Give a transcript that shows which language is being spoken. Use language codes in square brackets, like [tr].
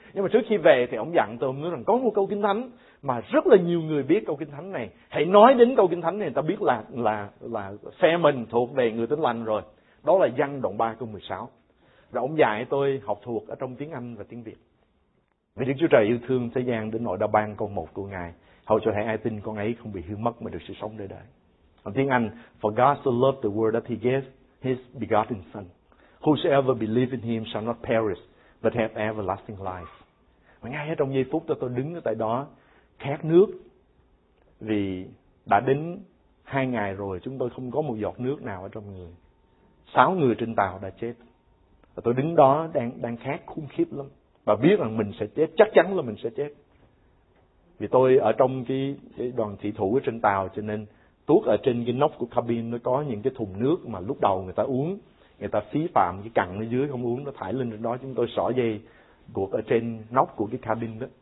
[vi] Nhưng mà trước khi về thì ông dặn tôi, ông nói rằng có một câu Kinh Thánh mà rất là nhiều người biết câu Kinh Thánh này, hãy nói đến câu Kinh Thánh này ta biết là phe mình thuộc về người tin lành rồi. Đó là Giăng đoạn 3 câu 16. Rồi ông dạy tôi học thuộc ở trong tiếng Anh và tiếng Việt. Vì Đức Chúa Trời yêu thương thế gian đến nỗi đã ban con một của Ngài, hầu cho hễ ai tin con ấy không bị hư mất mà được sự sống đời đời. Còn tiếng Anh, [en] For God so loved the world that he gave his begotten son, whosoever believes in him shall not perish, but have everlasting life. [vi] Và ngay ở trong giây phút đó, tôi đứng ở tại đó, khát nước, vì đã đến 2 ngày rồi, chúng tôi không có một giọt nước nào ở trong người. 6 người trên tàu đã chết. Và tôi đứng đó đang khát khủng khiếp lắm. Và biết rằng mình sẽ chết, chắc chắn là mình sẽ chết. Vì tôi ở trong cái đoàn thủy thủ ở trên tàu, cho nên tuốt ở trên cái nóc của cabin nó có những cái thùng nước mà lúc đầu người ta uống, người ta phí phạm cái cặn ở dưới không uống, nó thải lên trên đó, chúng tôi xỏ dây buộc ở trên nóc của cái cabin đó.